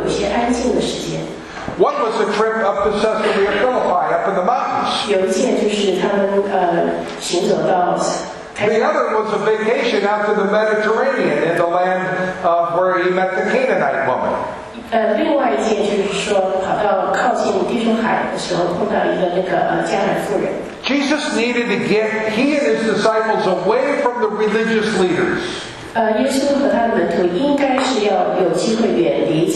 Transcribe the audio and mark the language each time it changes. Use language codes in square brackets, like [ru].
[en] One was a trip up to Caesarea Philippi, up in the mountains. The other was a vacation out to the Mediterranean in the land of where he met the Canaanite woman. [zh] 另外一件就是说跑到靠近弟兄海的时候碰到一个那个迦南妇人。 [en] Jesus needed to get he and his disciples away from the religious leaders. [zh] 耶稣和他的门徒应该是要有机会远离